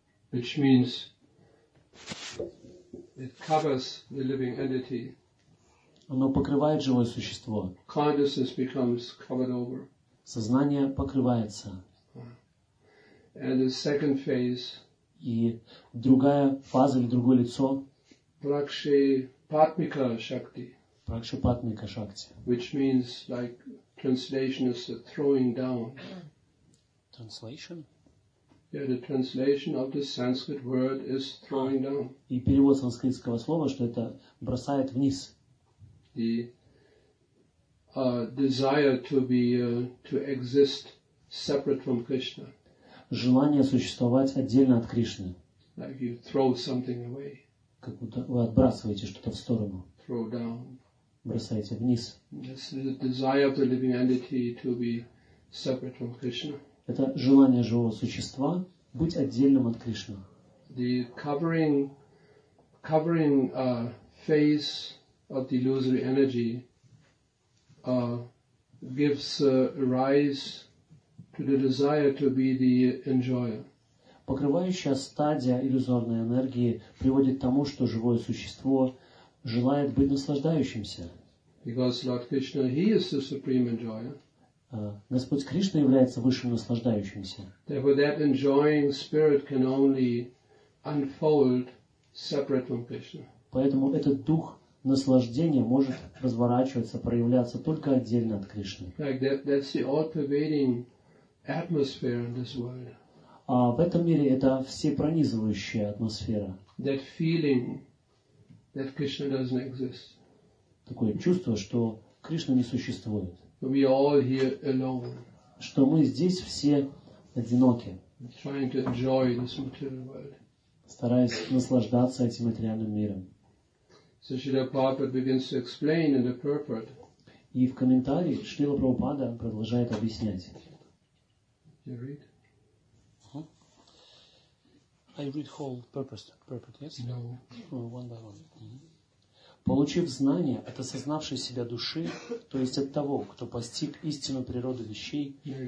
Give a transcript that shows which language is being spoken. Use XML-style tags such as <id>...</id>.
<en>Which means it covers the living entity.</en> <ru>Оно покрывает живое существо.</ru> <en>Consciousness becomes covered over.</en> <ru>Сознание покрывается.</ru> <en>And the second phase.</en> <ru>И другая фаза или другое лицо.</ru> <sa>Пракшипатмика Шакти. Пракшипатмика Шакти.</sa> <en>Which means like translation is the throwing down. Translation? Yeah, the translation of the Sanskrit word is throwing down.</en> <ru>И перевод санскритского слова, что это бросает вниз.</ru> <en>The desire to be to exist separate from Krishna.</en> <ru>Желание существовать отдельно от Кришны.</ru> <en>Like you throw something away.</en> <ru>Как будто вы отбрасываете что-то в сторону.</ru> <en>Throw down.</en> <ru>Бросаете вниз.</ru> <en>This is the desire of the living entity to be separate from Krishna.</en> <ru>Это желание живого существа быть отдельным от Кришны.</ru> <en>The covering phase of the illusory energy gives rise to the desire to be the enjoyer.</en> <ru>Покрывающая стадия иллюзорной энергии приводит к тому, что живое существо желает быть наслаждающимся.</ru> <en>Because Lord Krishna, he is the supreme enjoyer.</en> <ru>Господь Кришна является высшим наслаждающимся.</ru> <en>Therefore, that enjoying spirit can only unfold separate from Krishna.</en> <ru>Поэтому этот дух наслаждения может разворачиваться, проявляться только отдельно от Кришны.</ru> <en>Like that's the all-pervading atmosphere in this world.</en> <ru>А в этом мире это всепронизывающая атмосфера.</ru> <en>That feeling that Krishna doesn't exist.</en> <ru>Такое чувство, что Кришна не существует.</ru> <en>We all here alone.</en> <ru>Что мы здесь все одиноки.</ru> <en>Trying to enjoy this material world.</en> <ru>Стараясь наслаждаться этим материальным миром.</ru> <en>So Srila Prabhupada begins to explain in the purport.</en> <ru>И в комментарии Шрила Прабхупада продолжает объяснять.</ru> <en>You read? I read whole purport, yes? No. One by one. Mm-hmm.</en> <ru>Получив знание от осознавшей себя души, то есть от того, кто постиг истину природы вещей.</ru>